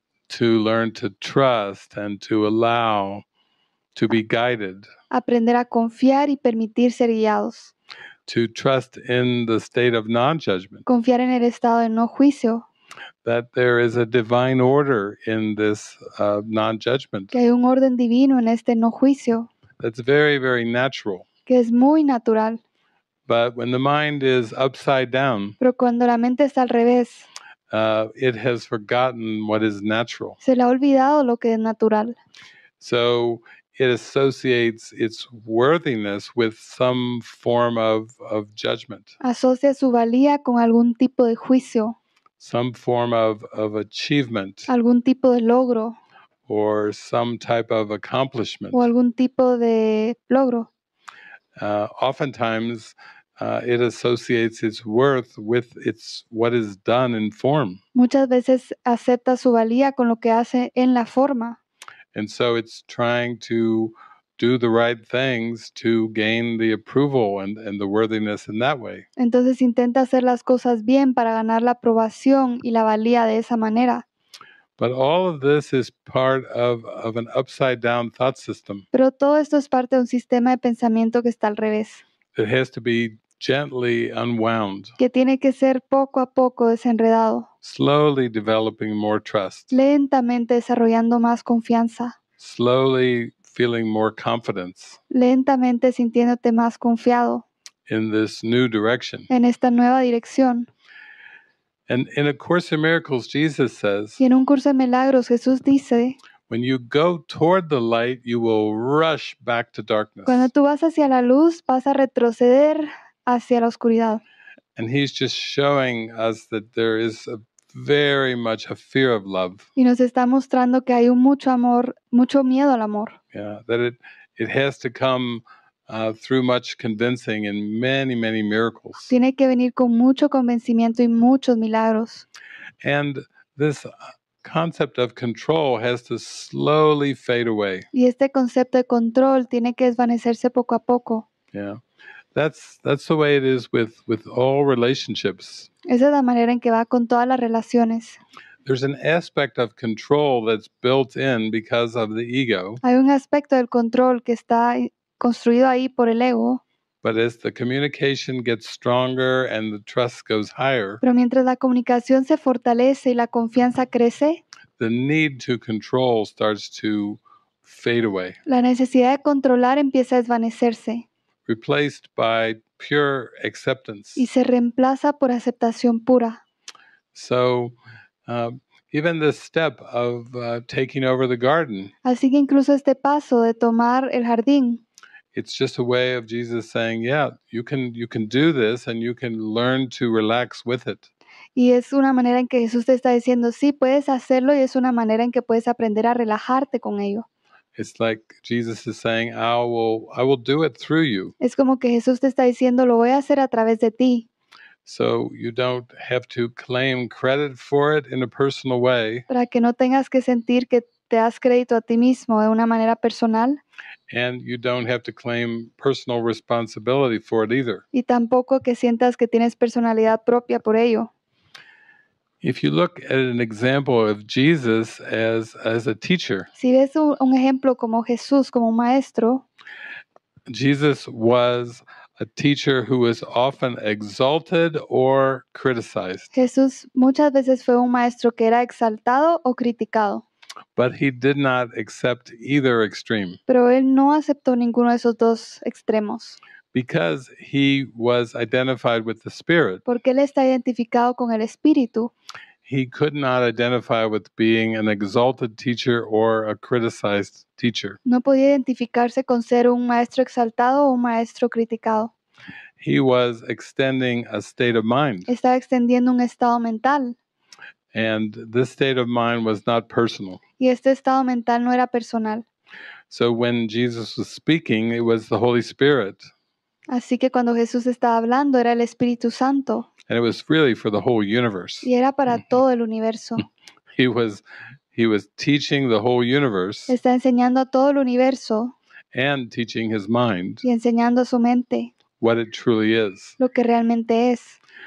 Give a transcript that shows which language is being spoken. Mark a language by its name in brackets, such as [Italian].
[English] To learn to trust and to allow to be guided. [Spanish] Aprender a confiar y permitir ser guiados. [English] To trust in the state of non-judgment. [Spanish] Confiar en el estado de no juicio. [English] That there is a divine order in this non-judgment. [Spanish] Que hay un orden divino en este no juicio. [English] That's very, very natural. [Spanish] Que es muy natural. [English] But when the mind is upside down, [Spanish] pero cuando la mente está al revés, [English] it has forgotten what is natural. [Spanish] Se le ha olvidado lo que es natural. [English] So it associates its worthiness with some form of judgment. [Spanish] Asocia su valía con algún tipo de juicio. [English] Some form of achievement. [Spanish] Algún tipo de logro. [English] Or some type of accomplishment. [Spanish] O algún tipo de logro. [English] Oftentimes, it associates its worth with its what is done in form. [Spanish] Muchas veces acepta su valía con lo que hace en la forma. [English] And so it's trying to do the right things to gain the approval and the worthiness in that way. [Spanish] Entonces intenta hacer las cosas bien para ganar la aprobación y la valía de esa manera. [English] But all of this is part of an upside down thought system. [Spanish] Pero todo esto es parte de un sistema de pensamiento que está al revés. [English] It has to be gently unwound. [Spanish] Que tiene que ser poco a poco desenredado. [English] Slowly developing more trust. [Spanish] Lentamente desarrollando más confianza. [English] Slowly feeling more confidence. [Spanish] Lentamente sintiéndote más confiado. [English] In this new direction. [Spanish] En esta nueva dirección. [English] And in A Course in Miracles, Jesus says, [Spanish] y en un curso de milagros, Jesús dice, [English] when you go toward the light, you will rush back to darkness. [Spanish] Cuando tú vas hacia la luz, vas a retroceder hacia la oscuridad. [English] And he's just showing us that there is very much a fear of love. [Spanish] Y nos está mostrando que hay un mucho amor, mucho miedo al amor. [English] Yeah, that it has to come through much convincing and many, many miracles. [Spanish] Tiene que venir con mucho convencimiento y muchos milagros. [English] And this concept of control has to slowly fade away. [Spanish] Y este concepto de control tiene que desvanecerse poco a poco. [English] Yeah. That's the way it is with all relationships. [Spanish] Esa es la manera en que va con todas las relaciones. [English] There's an aspect of control that's built in because of the ego. [Spanish] Hay un aspecto del control que está construido ahí por el ego. [English] But as the communication gets stronger and the trust goes higher, [Spanish] pero mientras la comunicación se fortalece y la confianza crece, [English] the need to control starts to fade away. [Spanish] La necesidad de controlar empieza a desvanecerse. [English] Replaced by pure acceptance. [Spanish] Y se reemplaza por aceptación pura. [English] So, even the step of taking over the garden. [Spanish] Así que incluso este paso de tomar el jardín. [English] It's just a way of Jesus saying, "Yeah, you can do this, and you can learn to relax with it." [Spanish] Y es una manera en que Jesús te está diciendo, sí, puedes hacerlo, y es una manera en que puedes aprender a relajarte con ello. [English] It's like Jesus is saying, "I will do it through you." [Spanish] Es como que Jesús te está diciendo, lo voy a hacer a través de ti. [English] So you don't have to claim credit for it in a personal way. [Spanish] Para que no tengas que sentir que te das crédito a ti mismo de una manera personal. [English] And you don't have to claim personal responsibility for it either. [Spanish] Y tampoco que sientas que tienes personalidad propia por ello. [English] If you look at an example of Jesus as a teacher. [Spanish] Si ves un ejemplo como Jesús, como un maestro. [English] Jesus was a teacher who was often exalted or criticized. [Spanish] Jesús muchas veces fue un maestro que era exaltado o criticado. [English] But he did not accept either extreme. [Spanish] Pero él no aceptó ninguno de esos dos extremos. [English] Because he was identified with the Spirit. [Spanish] Porque él está identificado con el Espíritu. [English] He could not identify with being an exalted teacher or a criticized teacher. [Spanish] No podía identificarse con ser un maestro exaltado o un maestro criticado. [English] He was extending a state of mind. [Spanish] Estaba extendiendo un estado mental. [English] And this state of mind was not personal. [Spanish] Y este estado mental no era personal. [English] So when Jesus was speaking, it was the Holy Spirit. [Spanish] Así que cuando Jesús estaba hablando, era el Espíritu Santo. [English] And it was really for the whole universe. [Spanish] Y era para todo el universo. [English] He was teaching the whole universe. [Spanish] Está enseñando a todo el universo. [English] And teaching his mind. [Spanish] Y enseñando a su mente. [English] What it truly is. [Spanish] Lo que realmente es.